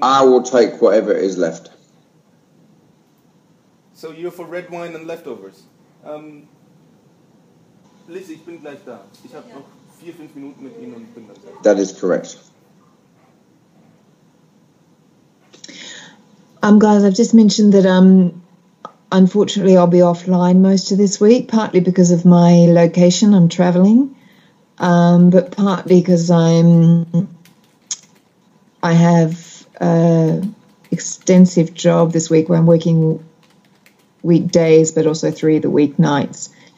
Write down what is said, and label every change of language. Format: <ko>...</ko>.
<en>I will take whatever is left. So you're for red wine and leftovers.</en> <de>Liz, ich bin gleich da. Ich habe noch 4-5 Minuten mit Ihnen und bin dann da.</de> <en>That is correct. Guys, I've just mentioned that unfortunately I'll be offline most of this week, partly because of my location, I'm traveling, but partly because I have extensive job this week where I'm working weekdays but also three of the weeknights.</en>